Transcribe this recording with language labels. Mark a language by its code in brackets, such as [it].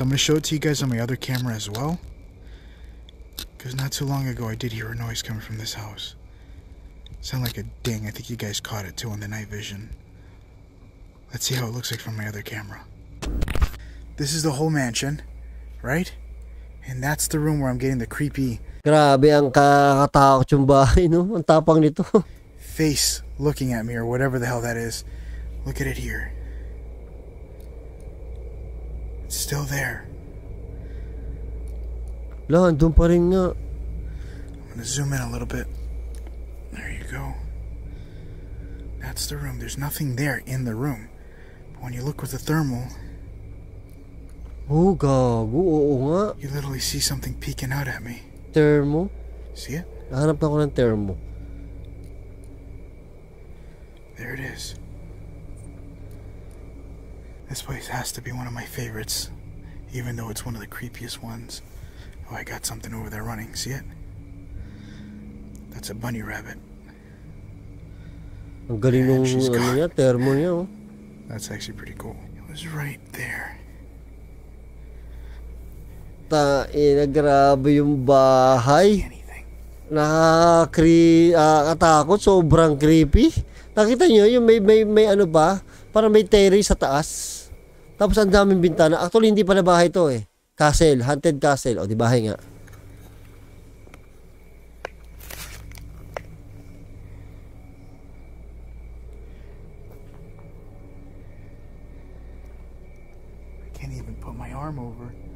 [en] I'm going to show it to you guys on my other camera as well. Because not too long ago, I did hear a noise coming from this house. Sound like a ding. I think you guys caught it too on the night vision. Let's see how it looks like from my other camera. This is the whole mansion, right? And that's the room where I'm getting the creepy... [tl] Grabe, ang kakatakot yung bahay, no? Ang tapang nito. [en] Face looking at me or whatever the hell that is. Look at it here. It's still there. [tl] Lahandun pa rin nga. [en] I'm gonna zoom in a little bit. There you go. That's the room. There's nothing there in the room. But when you look with the thermal... [tl] Oh, gago. Oo nga. [en] You literally see something peeking out at me. Thermal? See it? [tl] Nahanap ako ng thermal. [en] There it is. This place has to be one of my favorites. Even though it's one of the creepiest ones. Oh, I got something over there running. See it? That's a bunny rabbit. [tl] Ang galing ng ano niya, thermo niya. [en] That's actually pretty cool. It was right there. [tl] Taina, grabe yung bahay. Nakakatakot, sobrang creepy. Nakita niyo yung may ano ba? Parang may terrace sa taas. Tapos ang daming bintana. Actually, hindi pala bahay to eh. Castle, haunted castle. O, di bahay nga. [en] I can't even put my arm over.